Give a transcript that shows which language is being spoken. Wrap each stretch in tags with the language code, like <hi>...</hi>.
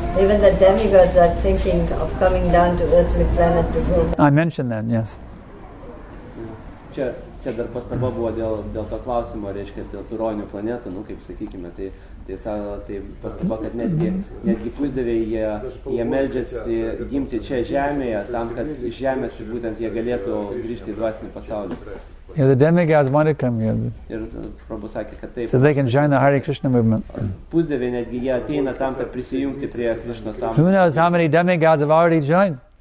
<en>Even the demigods are thinking of coming down to earthly planet to go. I mentioned that, yes.</en> <lt>Čia dar pastaba buvo dėl to klausimo, reiškia, dėl turonių planetų, nu, kaip sakykime, tai pastaba, kad netgi pusdieviai jie meldžiasi gimti čia žemėje, tam, kad iš žemės būtent jie galėtų grįžti į dvasinį pasaulį.</lt> <en>Yeah, the demigods want to come here. So they can join the Hare Krishna movement. Who knows how many demigods have already joined?</en>